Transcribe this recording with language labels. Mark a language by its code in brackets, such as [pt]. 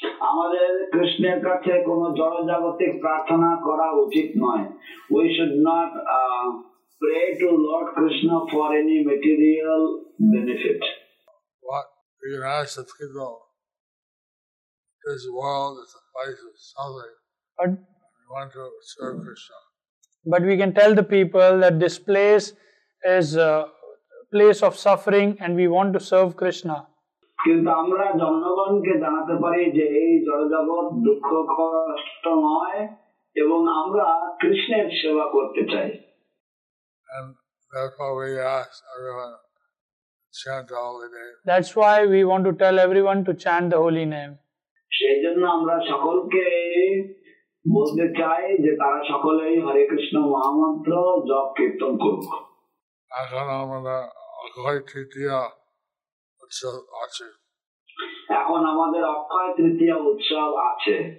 [bn] আমাদের কৃষ্ণের কাছে কোন জড়জাগতিক প্রার্থনা করা উচিত নয়। [en] We should not pray to Lord Krishna for any material benefit. What we can ask of him, this world is a place of suffering. But we want to serve Krishna. But we can tell the people that this place is a place of suffering and we want to serve Krishna. [bn] কিন্তু আমরা জনগণকে জানাতে পারি যে এই জড়জগৎ দুঃখ কষ্ট নয় এবং আমরা কৃষ্ণের সেবা করতে চাই। [en] And therefore we ask everyone to chant the holy name. That's why we want to tell everyone to chant the holy name. [bn] সেই জন্য আমরা সকলকে বলতে চাই যে তারা সকলেই হরে কৃষ্ণ মহামন্ত্র জপ কীর্তন করুক। এখন আমরা অক্ষয় তৃতীয়া উৎসব আছে। এখন আমাদের অক্ষয় তৃতীয়া উৎসব আছে।